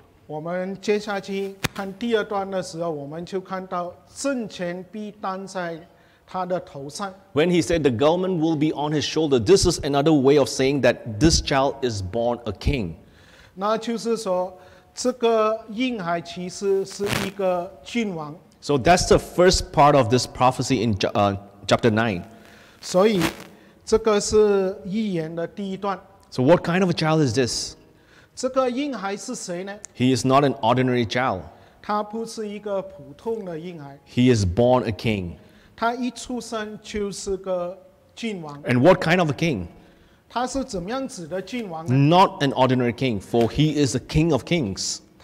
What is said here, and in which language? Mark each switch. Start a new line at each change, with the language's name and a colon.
Chinese: 我们接下去看第二段的时候，我们就看到政权必担在他的头上。
English: When he said the government will be on his shoulder, this is another way of saying that this child is born a king.
Chinese: 那就是说，这个婴孩其实是一个君王。
English: So that's the first part of this prophecy in chapter 9.
Chinese: 所以这个是预言的第一段。
English: So what kind of a child is this?
Chinese: 这个婴孩是谁呢?
English: He is not an ordinary child.
Chinese: 他不是一个普通的婴孩。
English: He is born a king.
Chinese: 他一出生就是个君王。
English: And what kind of a king?
Chinese: 他是怎么样子的君王呢?
English: Not an ordinary king, for he is the king of kings.